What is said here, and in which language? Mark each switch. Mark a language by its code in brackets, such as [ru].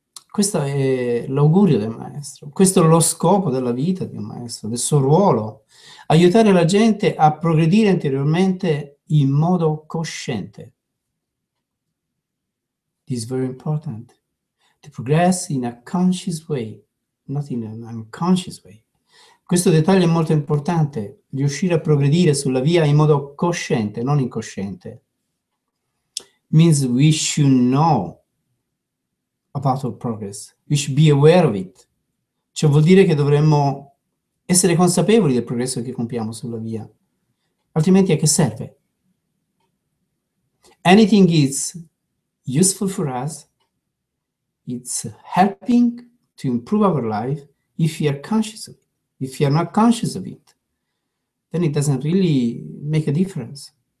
[it] Questo è l'augurio del maestro, questo è lo scopo della vita di un maestro, del suo ruolo, aiutare la gente a progredire interiormente in modo cosciente. [en] This is very important, to progress in a conscious way, not in an unconscious way. [it] Questo dettaglio è molto importante, riuscire a progredire sulla via in modo cosciente, non incosciente. Means we should know about our progress, we should be aware of it. Cioè vuol dire che dovremmo essere consapevoli del progresso che compiamo sulla via. Altrimenti a che serve? [en] Anything is useful for us, it's helping to improve our life if we are conscious of it. If you are not conscious of it, then it doesn't really make a difference.